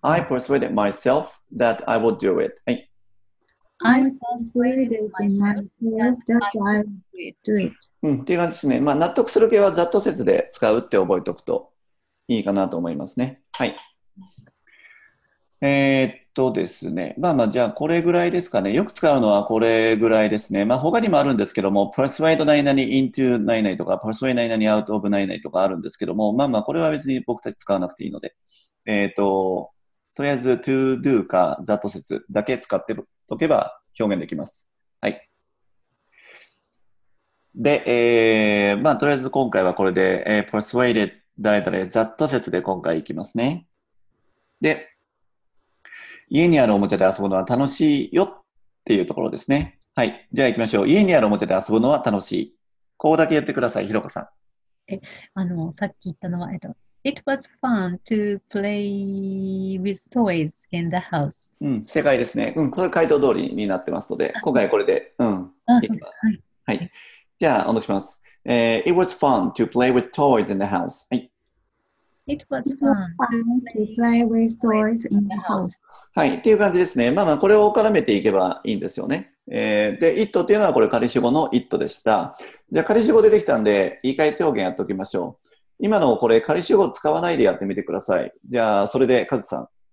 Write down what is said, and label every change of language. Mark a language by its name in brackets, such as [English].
[English] I persuaded myself that I would do it. I persuaded myself that I would do it.、 [Japanese] うん、っていう感じですね。まあ、納得する系はざっと説で使うって覚えておくといいかなと思いますね。はい。ですね。まあまあ、じゃあこれぐらいですかね。よく使うのはこれぐらいですね。まあ、他にもあるんですけども、persuade 何々 into 何々とか、persuade 何々 out of 何々とかあるんですけども、まあまあ、これは別に僕たち使わなくていいので。とりあえず to do か that 説だけ使っておけば表現できます。はい。で、まあ、とりあえず今回はこれで、persuaded 誰々 that 説で今回いきますね。で、家にあるおもちゃで遊ぶのは楽しいよっていうところですね。はい。じゃあ行きましょう。家にあるおもちゃで遊ぶのは楽しい。ここだけ言ってください、ひろかさん。さっき言ったのは、 [English] It was fun to play with toys in the house. [Japanese] うん、正解ですね。うん、これ回答通りになってますので、今回はこれで、うん、いきます。はい。じゃあ、お願いします。 [English] It was fun to play with toys in the house. [Japanese] はい。 [English] It was fun to play with toys in the house. [Japanese] はい、っていう感じですね。まあまあ、これを絡めていけばいいんですよね。で、it っていうのはこれ仮主語の it でした。じゃあ、仮主語出てきたんで、言い換え表現やっておきましょう。今のこれ仮主語使わないでやってみてください。じゃあそれでカズさん。